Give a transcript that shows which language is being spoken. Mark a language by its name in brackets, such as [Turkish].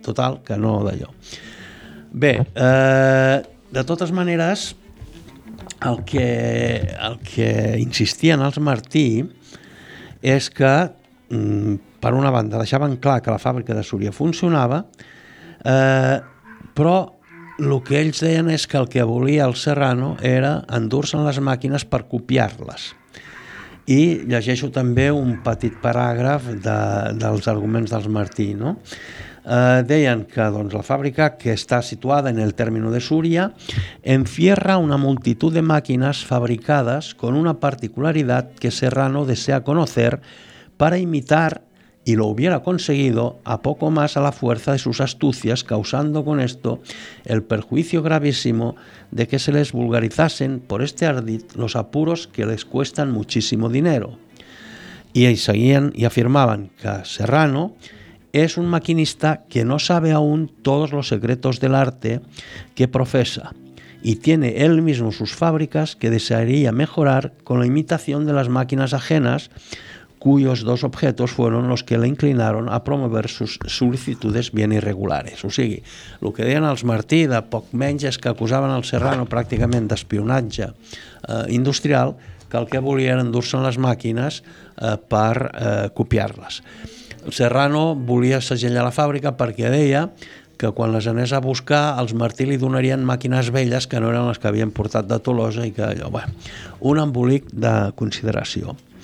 [Catalan] Total, que no d'allò. Bé, de totes maneres, el que insistien els Martí és que, per una banda, deixaven clar que la fàbrica de Súria funcionava, però el que ells deien és que el que volia el Serrano era endur-se'n les màquines per copiar-les. I llegeixo també un petit paràgraf dels arguments dels Martí, no? Deien que doncs, la fàbrica, que està situada en el [Spanish] término de Súria, encierra una multitud de màquines fabricades con una particularidad que Serrano desea conocer para imitar y lo hubiera conseguido a poco más a la fuerza de sus astucias, causando con esto el perjuicio gravísimo de que se les vulgarizasen por este ardid los apuros que les cuestan muchísimo dinero. Y ahí seguían y afirmaban que Serrano es un maquinista que no sabe aún todos los secretos del arte que profesa, y tiene él mismo sus fábricas que desearía mejorar con la imitación de las máquinas ajenas, cuyos dos objetos fueron los que le inclinaron a promover sus solicitudes bien irregulares. [Catalan] O sigui, el que deien els Martí, de poc menys, és que acusaven el Serrano pràcticament d'espionatge industrial, que el que volien endur-se'n les màquines per copiar-les. El Serrano volia segellar la fàbrica perquè deia que quan les anés a buscar, els Martí li donarien màquines velles que no eren les que havien portat de Tolosa i que allò, bé, un embolic de consideració.